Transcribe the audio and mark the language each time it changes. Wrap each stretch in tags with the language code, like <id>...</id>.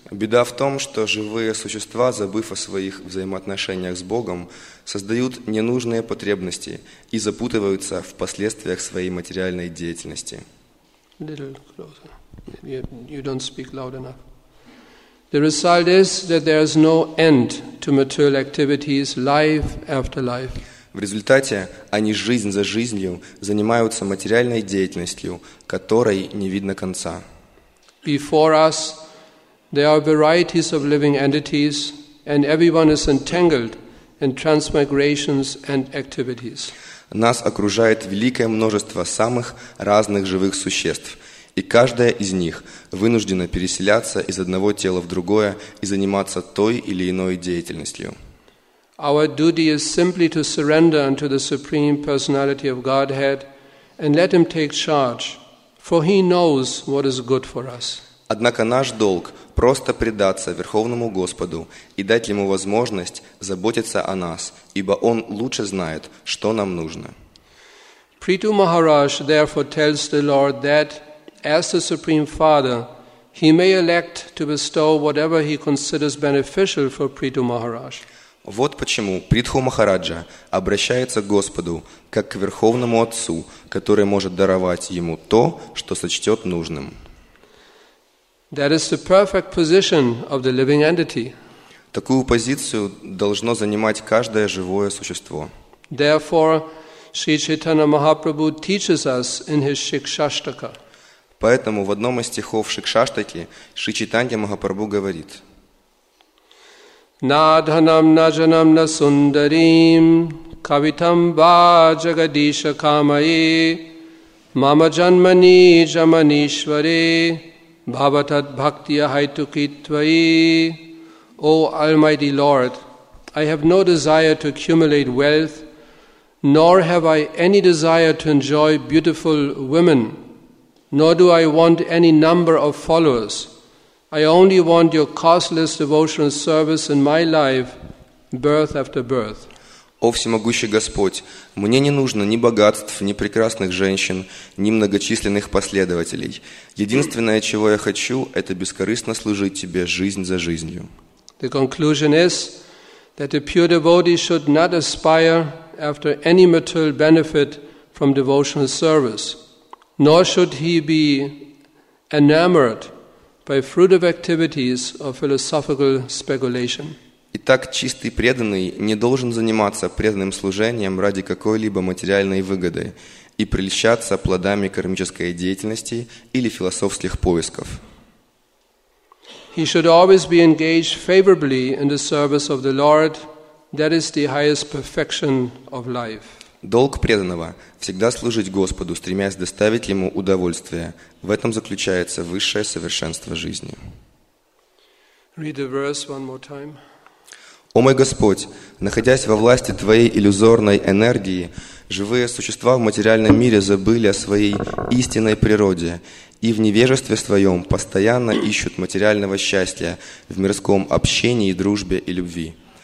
<ru>Беда в том, что живые существа, забыв о своих взаимоотношениях с Богом, создают ненужные потребности и запутываются в последствиях своей материальной деятельности.</ru> <en>A little closer. You don't speak loud enough. The result is that there is no end to material activities, life after life.</en> <ru>В результате они жизнь за жизнью занимаются материальной деятельностью, которой не видно конца.</ru> <en>Before us there are varieties of living entities, and everyone is entangled in transmigrations and activities.</en> <ru>Нас окружает великое множество самых разных живых существ, и каждая из них вынуждена переселяться из одного тела в другое и заниматься той или иной деятельностью.</ru> <en>Our duty is simply to surrender unto the Supreme Personality of Godhead and let Him take charge, for He knows what is good for us.</en> <ru>Однако наш долг – просто предаться Верховному Господу и дать Ему возможность заботиться о нас, ибо Он лучше знает, что нам нужно.</ru> <en>Prithu Maharaj therefore tells the Lord that, as the Supreme Father, He may elect to bestow whatever He considers beneficial for Prithu Maharaj.</en> <ru>Вот почему Притху Махараджа обращается к Господу, как к Верховному Отцу, который может даровать ему то, что сочтет нужным.</ru> <en>That is the perfect position of the living entity.</en> <ru>Такую позицию должно занимать каждое живое существо.</ru> <en>Therefore, Sri Chaitanya Mahaprabhu teaches us in his Shikshashtaka.</en> <ru>Поэтому в одном из стихов Шикшаштаки Шри Чайтанья Махапрабху говорит:</ru> <sa>Nādhanam najanam nasundarīm kavitam va jagadīśa kāmaye mama janmani jamanīśvare bhavatat bhaktiya haitukitvai.</sa> <en>O Almighty Lord, I have no desire to accumulate wealth, nor have I any desire to enjoy beautiful women, nor do I want any number of followers. I only want your costless devotional service in my life, birth after birth.</en> <ru>О всемогущий Господь, мне не нужно ни богатств, ни прекрасных женщин, ни многочисленных последователей. Единственное, чего я хочу, это бескорыстно служить Тебе жизнь за жизнью.</ru> <en>The conclusion is that a pure devotee should not aspire after any material benefit from devotional service, nor should he be enamored by fruit of activities of philosophical speculation.</en> <ru>Итак, чистый преданный не должен заниматься преданным служением ради какой-либо материальной выгоды и прельщаться плодами кармической деятельности или философских поисков.</ru> <en>He should always be engaged favorably in the service of the Lord. That is the highest perfection of life.</en> <ru>Долг преданного – всегда служить Господу, стремясь доставить Ему удовольствие. В этом заключается высшее совершенство жизни.</ru> <en>Read the verse one more time.</en> <ru>О мой Господь, находясь во власти Твоей иллюзорной энергии, живые существа в материальном мире забыли о своей истинной природе и в невежестве своем постоянно ищут материального счастья в мирском общении, дружбе и любви.</ru>